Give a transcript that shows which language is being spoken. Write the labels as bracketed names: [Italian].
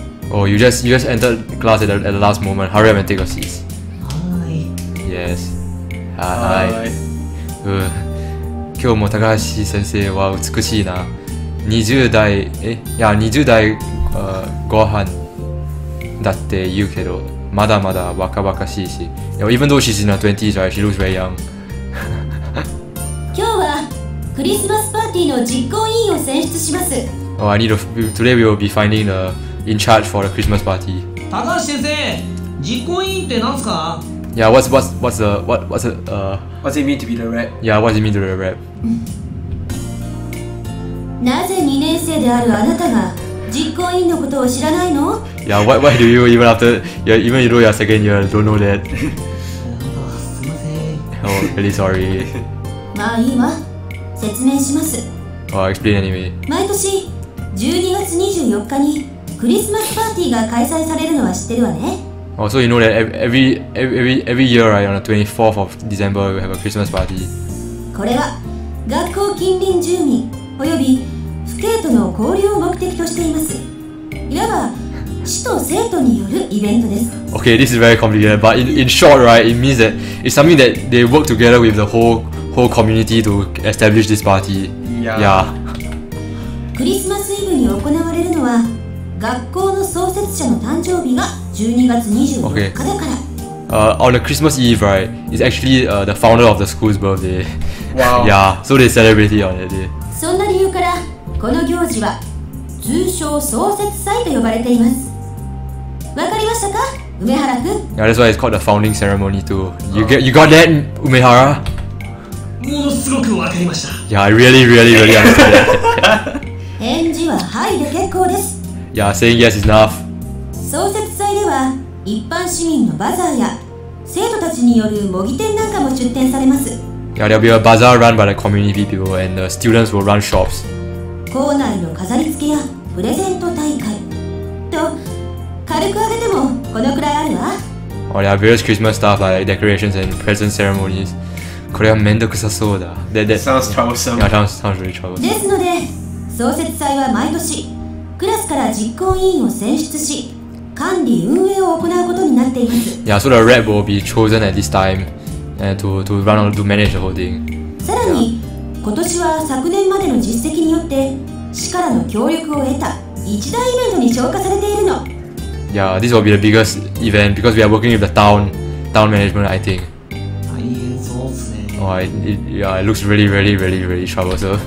[English] Oh, you just entered class at the last moment. Hurry up and take your seat. Hi. Yes. Hi. [Japanese] Hi. 今日も高橋先生は美しいな。 20代、え、いや、20代、ご飯だって言うけど、まだまだ若々しいし。 [English] Even though she's in her 20s, right? She looks very young. [Japanese] 今日はクリスマスパーティーの実行委員を選出します。 [English] Oh, I need to... Today we'll be finding the in charge for the Christmas party. [Japanese] 高橋先生、実行委員ってなんすか? [English] Yeah, what's the... What's it mean to be the rep? Yeah, what's it mean to be the rep? [Japanese] なぜ2年生であるあなたが実行委員のことを知らないの? [English] Yeah, why do you even after... Yeah, even though you're second year, don't know that. [Japanese] すいません。 [English] Oh, really sorry. [Japanese] まあいいわ。説明します。 [English] I'll explain anyway. [Japanese] 毎年12月24日にクリスマスパーティーが開催されるのは知ってるわね。 [English] Oh, so you know that every year, right, on the 24th of December, we have a Christmas party. [Japanese] これは学校近隣住民および父兄との交流を目的としています。いわば師と生徒によるイベントです。 [English] Okay, this is very complicated, but in short, right, it means that it's something that they work together with the whole community to establish this party. Yeah. [Japanese] クリスマスイブに行われるのは学校の創設者の誕生日が12月24日だから。 [English] Okay. On the Christmas Eve, right, is actually the founder of the school's birthday. Wow. Yeah, so they celebrate it on that day. [Japanese] そんな理由からこの行事は通称創設祭と呼ばれています。わかりましたか、梅原くん。 [English] Yeah, that's why it's called the founding ceremony too. You got that, 梅原。 [Japanese] ものすごくわかりました。 [English] Yeah, I really, really, really understand that. [Japanese] 返事ははいで結構です。 [English] Yeah, saying yes is enough. [Japanese] 創設祭では一般市民のバザーや生徒たちによる模擬店なんかも出展されます。 [English] Yeah, there'll be a bazaar run by the community people and the students will run shops. [Japanese] 校内の飾り付けやプレゼント大会と軽く挙げてもこのくらいあるわ。 [English] Oh, there are various Christmas stuff like decorations and present ceremonies. [Japanese] これは面倒くさそうだ。 [English] That sounds troublesome. Yeah, sounds really troublesome. [Japanese] ですので創設祭は毎年クラスから実行委員を選出し管理運営を行うことになっています。 [English] Yeah, so the rep will be chosen at this time to run on to manage the whole thing. [Japanese] さらに、今年は昨年までの実績によって市からの協力を得た一大イベントに昇格されているの。 [English] Yeah, this will be the biggest event because we are working with the town management, I think. [Japanese] 大変そうですね。 [English] Oh, it looks really, really, really, really troublesome.